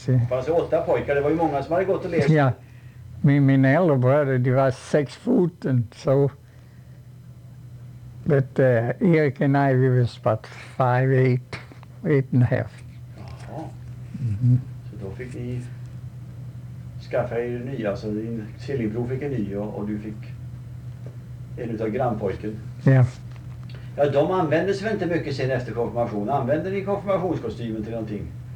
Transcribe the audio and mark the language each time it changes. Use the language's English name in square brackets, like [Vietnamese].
[Swedish] Det fanns åtta pojkar, det var ju många som hade gått och levt. Ja. Min äldre bröder, de var 6 foten, så... [English] But Erik and I, we was about 5'8", 8.5". Jaha. Mm-hmm. [Swedish] Så då fick ni skaffa er nya, så din tvillingbror fick en ny och du fick en utav grannpojken. Ja. Ja, de användes väl inte mycket sen efter konfirmation? Använde ni konfirmationskostymen till någonting?